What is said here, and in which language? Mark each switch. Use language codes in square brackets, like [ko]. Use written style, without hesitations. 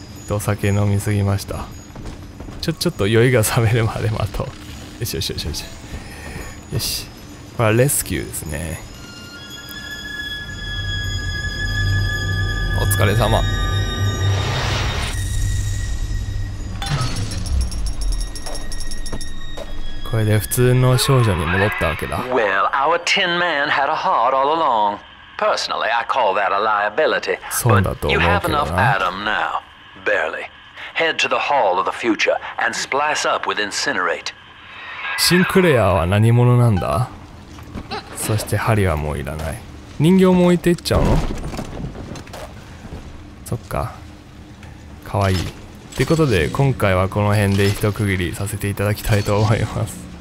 [ja] お酒飲みすぎました。ちょっと酔いが覚めるまで待とう。よしよしよしよし。よし。これはレスキューですね。お疲れ様。これで普通の少女に戻ったわけだ。 [en] Well, our tin man had a heart all along. Personally, I call that a liability. [ja] そうだと思うけどな。 [en] But you have enough atom now. Barely. Head to the hall of the future and splice up with incinerate. [ja] シンクレアは何者なんだ？そして針はもういらない。人形も置いていっちゃうの？そっか。かわいい。ということで今回はこの辺で一区切りさせていただきたいと思います。